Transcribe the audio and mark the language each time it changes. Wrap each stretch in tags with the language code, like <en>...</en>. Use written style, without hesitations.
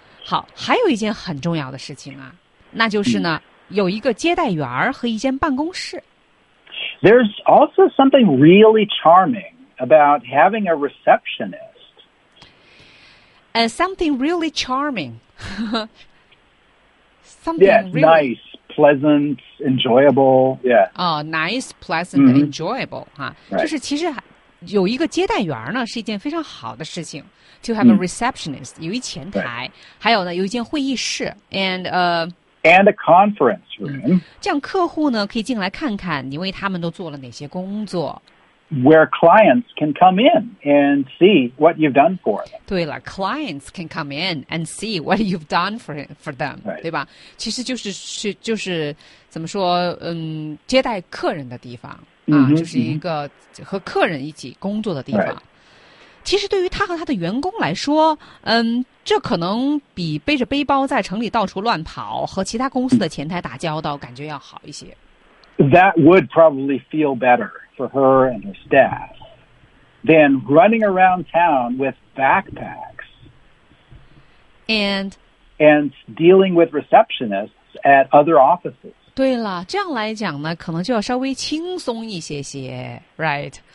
<zh>好还有一件很重要的事情啊那就是呢、有一个接待员和一间办公室。</zh> <en>There's also something really charming about having a receptionist. Something really charming. nice. Pleasant, enjoyable, yeah. Oh, nice, pleasant,、 mm-hmm. enjoyable. 哈、 right.</en> <zh>就是其实有一个接待员呢是一件非常好的事情</zh> <en>To have a receptionist,、</en> <zh>有一前台、 right. 还有呢有一间会议室</zh> <en>And a conference room.、</en> <zh>这样客户呢可以进来看看你为他们都做了哪些工作。</zh> <en>where clients can come in and see what you've done for them.</en> <zh>对了</zh> <en>，clients can come in and see what you've done for them， right.</en> <zh>对吧？其实就是怎么说，接待客人的地方啊， mm-hmm. 就是一个和客人一起工作的地方。 Right. 其实对于他和他的员工来说，这可能比背着背包在城里到处乱跑和其他公司的前台打交道感觉要好一些。</zh> <en>That would probably feel better for her and her staff than running around town with backpacks and dealing with receptionists at other offices.</en> <zh>对了，这样来讲呢，可能就要稍微轻松一些些 ，right？、</zh>